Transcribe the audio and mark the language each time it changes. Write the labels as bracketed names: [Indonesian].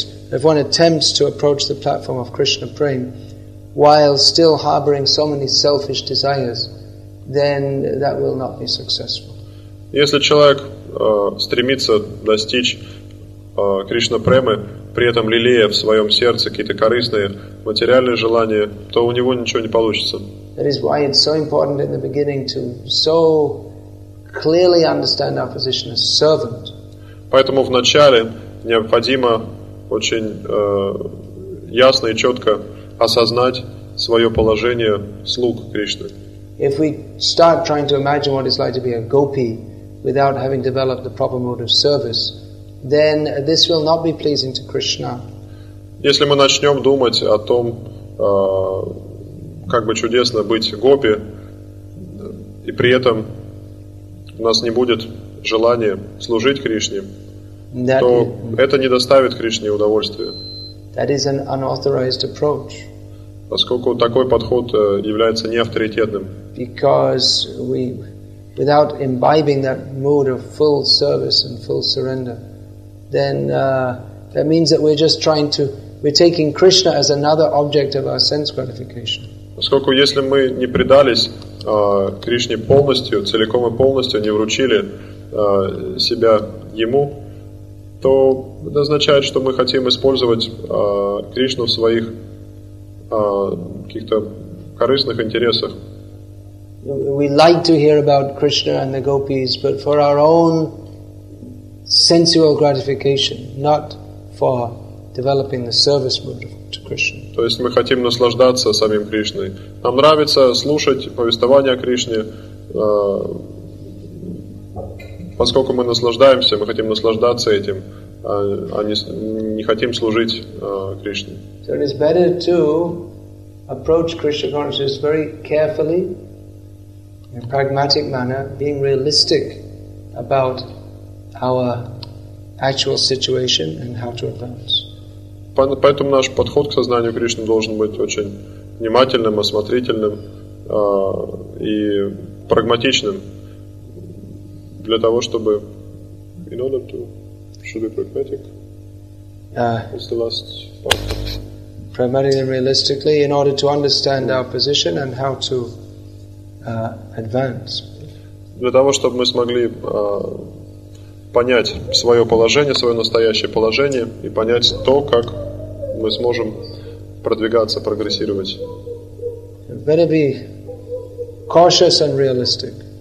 [English] If one attempts to approach the platform of Krishna prema while still harboring so many selfish desires, then that will not be successful. [Russian] Если человек стремится достичь Кришна премы, при этом лелея в своем сердце какие-то корыстные материальные желания, то у него ничего не получится. [English] That is why it's so important in the beginning to so clearly understand our position as servant. [Russian] Поэтому в начале необходимо очень ясно и четко осознать свое положение слуг Кришны. [English] If we start trying to imagine what it's like to be a gopi without having developed the proper mode of service, then this will not be pleasing to Krishna. [Russian] Если мы начнем думать о том, как бы чудесно быть гопи, и при этом у нас не будет желания служить Кришне, то это не доставит Кришне удовольствия. [English] That is an unauthorized approach. [Russian] Поскольку такой подход является неавторитетным. [English] Because we, without imbibing that mood of full service and full surrender, then that means that we're just trying to, we're taking Krishna as another object of our sense gratification. [Russian] Поскольку если мы не предались Кришне полностью, целиком и полностью, не вручили себя Ему, то это означает, что мы хотим использовать Кришну в своих каких-то корыстных интересах. [English] We like to hear about Krishna and the gopis, but for our own sensual gratification, not for developing the service mood to Krishna. [Russian] То есть мы хотим наслаждаться самим Кришной. Нам нравится слушать повествование о Кришне, поскольку мы наслаждаемся, мы хотим наслаждаться этим, а не хотим служить Кришне. [English] So it is better to approach Krishna consciousness very carefully, in a pragmatic manner, being realistic about our actual situation and how to advance. [Russian] Поэтому наш подход к сознанию Кришны должен быть очень внимательным, осмотрительным и прагматичным для того, чтобы [English] in order to should be pragmatic. What's the last part? Pragmatically and realistically, in order to understand our position and how to advance. [Russian] Для того, чтобы мы смогли понять свое положение, свое настоящее положение и понять то, как мы сможем продвигаться, прогрессировать. [English] Better be cautious and realistic.